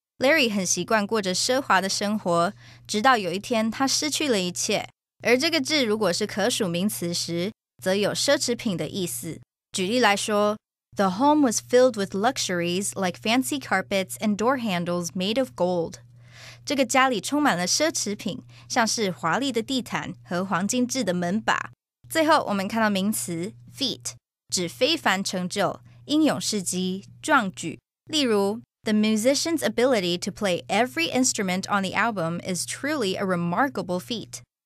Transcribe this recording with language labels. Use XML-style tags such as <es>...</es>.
<zh>Larry很习惯过着奢华的生活，直到有一天他失去了一切。而这个字如果是可数名词时，则有奢侈品的意思。举例来说,</zh> <en>the home was filled with luxuries like fancy carpets and door handles made of gold.</en> <zh>这个家里充满了奢侈品, 像是华丽的地毯和黄金制的门把. 最后我们看到名词, feat, 指非凡成就,英勇事迹,壮举. 例如,</zh> <en>the musician's ability to play every instrument on the album is truly a remarkable feat.</en>